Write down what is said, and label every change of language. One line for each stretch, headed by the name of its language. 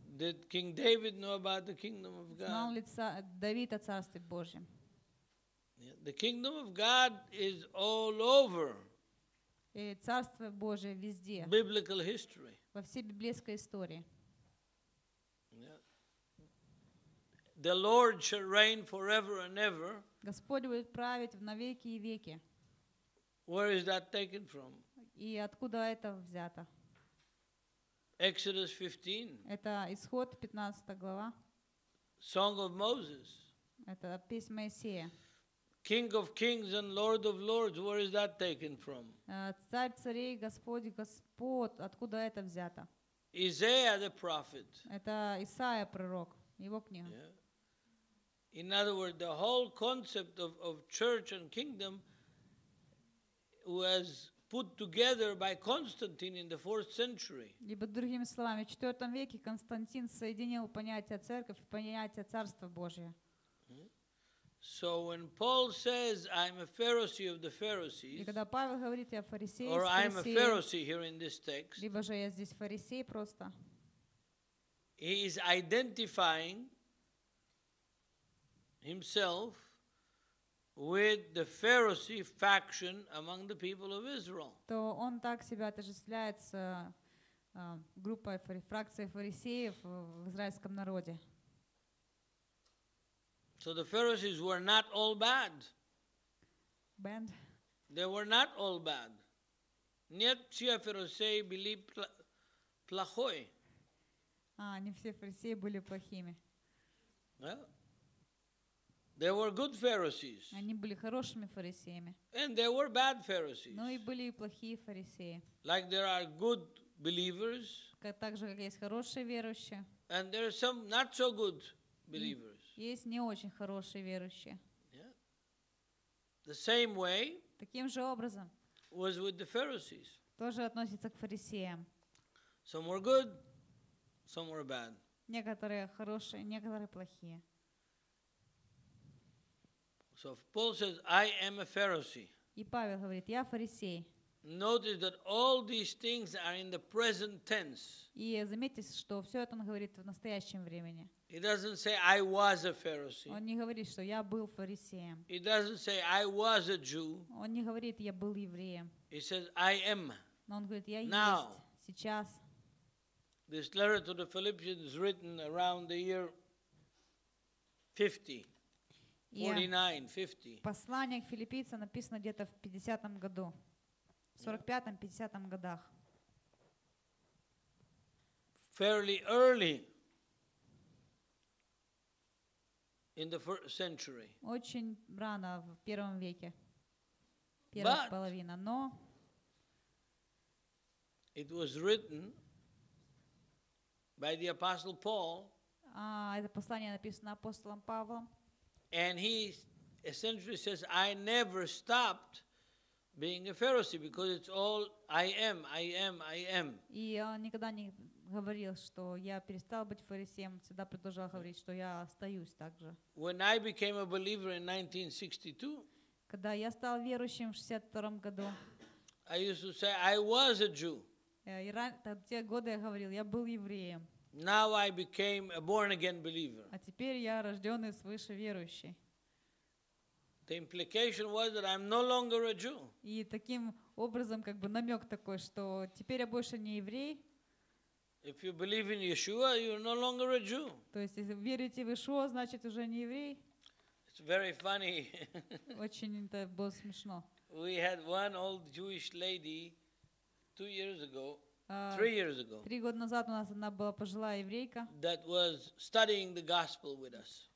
English: Did King David know about the kingdom of God?
Russian: Знал ли Давид о царстве Божьем?
English: The kingdom of God is all over.
Russian: И царство Божие везде.
English: Biblical history.
Russian: Во всей библейской истории.
English: The Lord shall reign forever and ever.
Russian: Господь будет править в навеки и веки.
English: Where is that taken from?
Russian: И откуда это взято?
English: Exodus 15.
Russian: Это исход 15 глава.
English: Song of Moses.
Russian: Это песнь Моисея.
English: King of kings and Lord of lords. Where is that taken from?
Russian: Царь царей, Господь Господ. Откуда это взято?
English: Isaiah the prophet.
Russian: Это Исаия пророк. Его книга.
English: Yeah. In other words, the whole concept of church and kingdom was put together by Constantine in the 4th century.
Russian: Либо другими словами, в 4 веке Константин соединил понятие церковь и понятие царства Божие.
English: So when Paul says, I'm a Pharisee of the Pharisees,
Russian: и когда Павел говорит, я фарисей,
English: or I'm a Pharisee here in this text,
Russian: либо же я здесь фарисей просто,
English: he is identifying himself with the Pharisee faction among the people of Israel.
Russian: То он так себя отождествляет с группой фракцией фарисеев в израильском народе.
English: So the Pharisees were not all bad. Bad. They were not all bad.
Russian: Нет, все фарисеи были плохой. А не все фарисеи были плохими.
English: They were good Pharisees.
Russian: Они были хорошими фарисеями.
English: And they were bad Pharisees.
Russian: Но и были плохие фарисеи.
English: Like there are good believers.
Russian: Так же, как есть хорошие верующие.
English: And there are some not so good believers.
Russian: Есть не очень хорошие верующие.
English: Yeah. The same way.
Russian: Таким же образом.
English: Was with the Pharisees.
Russian: Тоже относится к фарисеям.
English: Some were good, some were bad.
Russian: Некоторые хорошие, некоторые плохие.
English: So Paul says, I am a Pharisee.
Russian: И Павел говорит, я фарисей.
English: Notice that all these things are in the present tense.
Russian: И заметьте, что все это он говорит в настоящем времени.
English: He doesn't say, I was a Pharisee.
Russian: Он не говорит, что я был фарисеем.
English: He doesn't say, I was a Jew.
Russian: Он не говорит, я был евреем.
English: He says, I am.
Russian: Но он говорит, я
English: now,
Russian: есть сейчас.
English: This letter to the Philippians is written around the year 50. 49, 50.
Russian: Послание к филиппийцам написано где-то в 50-м году. В 45-50-м годах.
English: Fairly early in the first century.
Russian: Очень рано, в первом веке. Первая половина. Но
English: it was written by the apostle Paul.
Russian: Это послание написано апостолом Павлом.
English: And he essentially says, I never stopped being a Pharisee because it's all I am, I am, I am.
Russian: И он никогда не говорил, что я перестал быть фарисеем, всегда продолжал говорить, что я остаюсь также.
English: When I became a believer in 1962,
Russian: когда я стал верующим в 62-м году,
English: I used to say I was a Jew.
Russian: И те годы я говорил, я был евреем.
English: Now I became a born-again believer.
Russian: А теперь я рожденный свыше верующий.
English: The implication was that I'm no longer a Jew.
Russian: И таким образом, как бы намек такой, что теперь я больше не еврей.
English: If you believe in Yeshua, you're no longer a Jew.
Russian: То есть, если верите в Иешуа, значит уже не еврей.
English: It's very funny.
Russian: Очень это было смешно.
English: We had one old Jewish lady 2 years ago, 3 years ago.
Russian: 3 года назад у нас одна была пожилая еврейка.
English: That was studying the gospel with us.